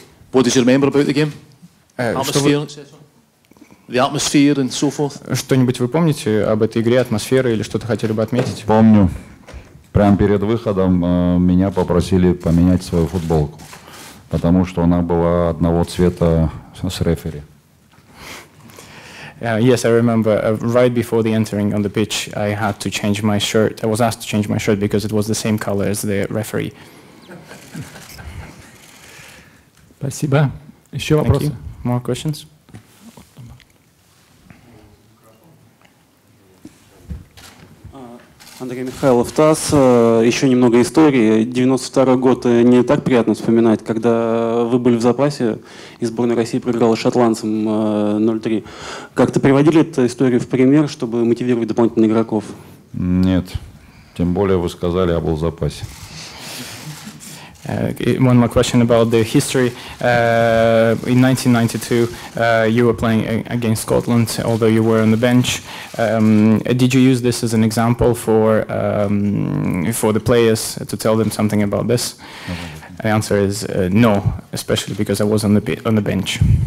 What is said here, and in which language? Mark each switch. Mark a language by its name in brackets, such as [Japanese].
[English] What did you remember about the game? Atmosphere, the atmosphere and so forth. [Russian] Что-нибудь вы помните об этой игре, атмосфере или что-то хотели бы отметить? Помню. Прямо перед выходом меня попросили поменять свою футболку, потому что она была одного цвета с рефери. [English] Yes, I remember. Right before the entering on the pitch, I had to change my shirt. I was asked to change my shirt because it was the same color as the referee. [Russian] Спасибо. Еще вопросы? [English] Thank you. More questions? [Russian] Андрей Михайлов, ТАСС. Еще немного истории. 92 год не так приятно вспоминать, когда вы были в запасе, и сборная России проиграла шотландцам 0-3. Как-то приводили эту историю в пример, чтобы мотивировать дополнительных игроков? Нет. Тем более вы сказали, я был в запасе. [English] One more question about the history. In 1992, you were playing against Scotland, although you were on the bench. Did you use this as an example for the players to tell them something about this? Mm-hmm. The answer is no, especially because I was on the bench.